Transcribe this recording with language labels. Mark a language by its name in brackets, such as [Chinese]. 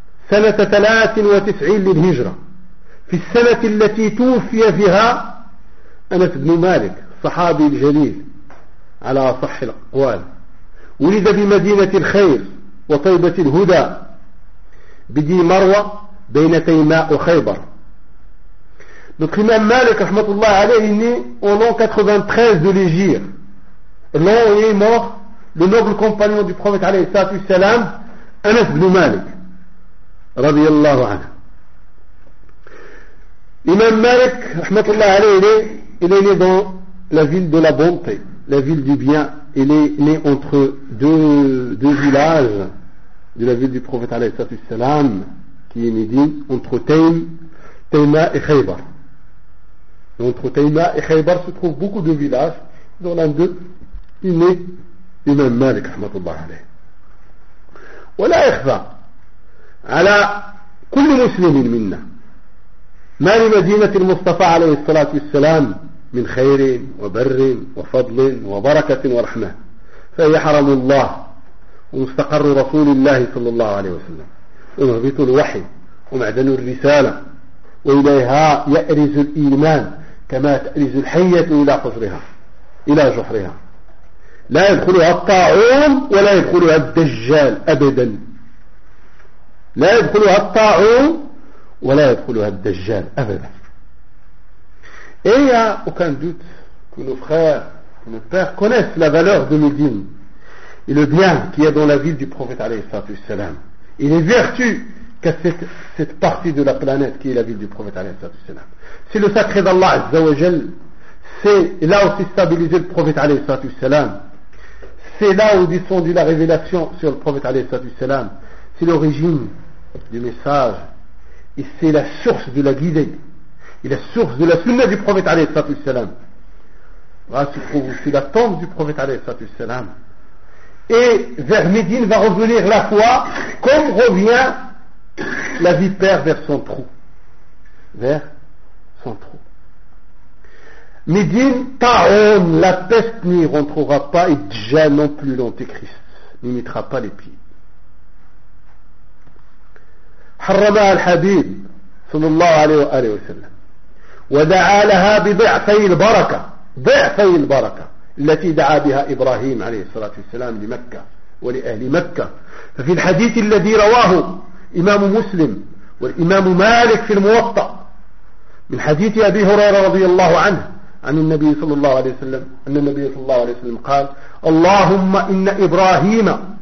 [Arabic] سنة 93 للهجرة في السنة التي توفي فيها أنس بن مالك صحابي الجليل على صح الأقوال. ولد بمدينة الخير وطيبة الهدى بدي مروة بين تيماء وخيبر. [French] Donc l'imam Malik رحمة الله عليه est né en l'an 93 de l'Hégire. L'an où il est mort le noble compagnon du prophète عليه الصلاة والسلام أنس بن مالك رضي الله عنه. إمام مالك رحمة الله عليه il est né dans la ville de la bonté, la ville du bien. Il est né entre deux villages de la ville du prophète عليه الصلاة والسلام qui est Médine, entre Tayma et Khaybar. Entre Tayma et Khaybar se trouvent beaucoup de villages. Dans l'un d'eux il est né إمام مالك رحمة الله عليه. [Arabic] ولا يخفى على كل مسلم منا ما لمدينة المصطفى عليه الصلاة والسلام من خير وبر وفضل وبركة ورحمة، فهي حرم الله ومستقر رسول الله صلى الله عليه وسلم ومهبط الوحي ومعدن الرسالة، وإليها يأرز الإيمان كما تأرز الحية إلى قصرها إلى جحرها، لا يدخلها الطاعون ولا يدخلها الدجال أبدا، لا يدخلها الطاعون ولا يدخلها الدجال أبدا. [French] Et il n'y a aucun doute que nos frères, que nos pères connaissent la valeur de Médine et le bien qu'il y a dans la ville du prophète عليه الصلاة والسلام et les vertus qu'a cette partie de la planète qui est la ville du prophète عليه الصلاة والسلام. C'est le sacré d'Allah Azza wa Jal. C'est là où s'est stabilisé le prophète عليه الصلاة والسلام. C'est là où descendit la révélation sur le prophète عليه الصلاة والسلام. C'est l'origine du message et c'est la source de la guidée et la source de la sunna du prophète alayhi sallallahu alayhi sallam. Là se trouve aussi la tombe du prophète alayhi sallallahu alayhi sallam. Et vers Médine va revenir la foi comme revient la vipère vers son trou. Vers son trou. Médine, ta'on, la peste n'y rentrera pas et déjà non plus l'antéchrist n'y mettra pas les pieds. [Arabic] حرمها الحبيب صلى الله عليه وآله وسلم ودعا لها بضعفي البركة، ضعفي البركة التي دعا بها إبراهيم عليه الصلاة والسلام لمكة ولأهل مكة. ففي الحديث الذي رواه إمام مسلم والإمام مالك في الموطأ من حديث أبي هريرة رضي الله عنه عن النبي صلى الله عليه وسلم أن النبي صلى الله عليه وسلم قال: اللهم إن إبراهيم